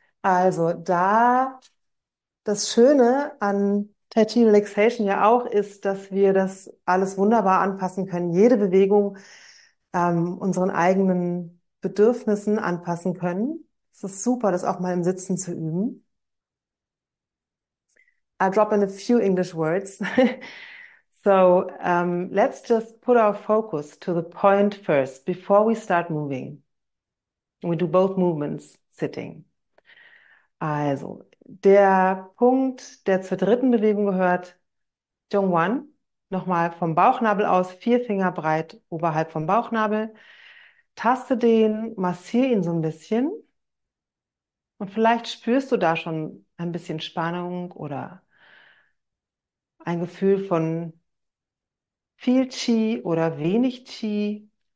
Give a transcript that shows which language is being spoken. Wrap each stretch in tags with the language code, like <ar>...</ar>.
<de>Also, da das Schöne an Relaxation ja auch ist, dass wir das alles wunderbar anpassen können, jede Bewegung unseren eigenen Bedürfnissen anpassen können. Es ist super, das auch mal im Sitzen zu üben.</de> <en>I'll drop in a few English words. So, let's just put our focus to the point first, before we start moving. We do both movements sitting.</en> <de>Also, der Punkt, der zur dritten Bewegung gehört, Jong-wan, nochmal vom Bauchnabel aus, vier Finger breit oberhalb vom Bauchnabel. Taste den, massiere ihn so ein bisschen. Und vielleicht spürst du da schon ein bisschen Spannung oder ein Gefühl von viel Qi oder wenig Qi.</de>